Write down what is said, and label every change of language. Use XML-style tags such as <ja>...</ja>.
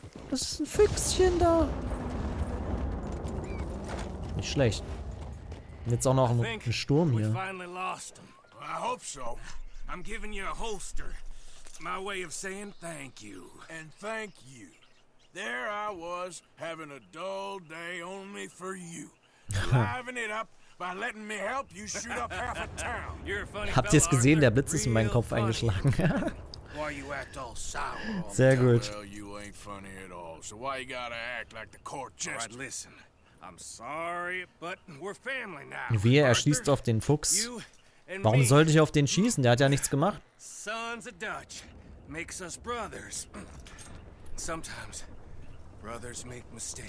<de>Das ist ein Füchschen da. Nicht schlecht. Und jetzt auch noch ein Sturm hier.</de> <en>I hope so. I'm giving you a holster. My way of saying thank you. And thank you. There I was, having a dull day only for you. Living it up by letting me help you shoot up half a town. You're a funny.</en> <de>Habt ihr es gesehen? Der Blitz ist in meinen Kopf eingeschlagen.</de> <en>Why you act all sour?</en> <de>Sehr gut.</de> <en>Well, you ain't funny at all. So why you gotta act like the court jester? Right, listen. I'm sorry, but we're family now.</en> <de>Wie er schießt auf den Fuchs. Warum sollte ich auf den schießen? Der hat ja nichts gemacht.</de> <en>Sons of Dutch makes us brothers. Sometimes brothers make mistakes.</en>